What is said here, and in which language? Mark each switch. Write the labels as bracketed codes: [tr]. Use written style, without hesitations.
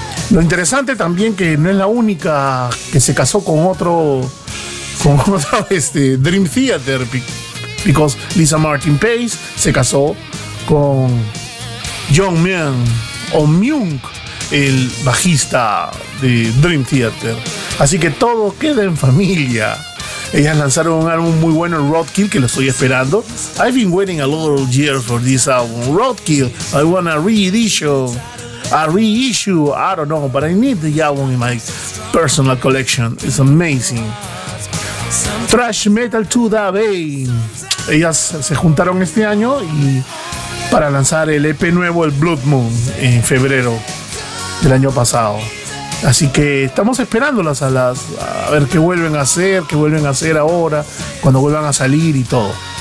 [es] Lo interesante también que no es la única que se casó con otro Dream Theater, because Lisa Martin Page se casó con John Myung, o Myung, el bajista de Dream Theater. Así que todo queda en familia. Ellas lanzaron un álbum muy bueno, Roadkill, que lo estoy esperando. [en] I've been waiting a lot of years for this album, Roadkill. I want a reissue, I don't know, but I need the album in my personal collection. It's amazing. Thrash Metal to the Bane. [es] Ellas se juntaron este año y para lanzar el EP nuevo, el Blood Moon, en febrero del año pasado. Así que estamos esperándolas a ver qué vuelven a hacer ahora, cuando vuelvan a salir y todo.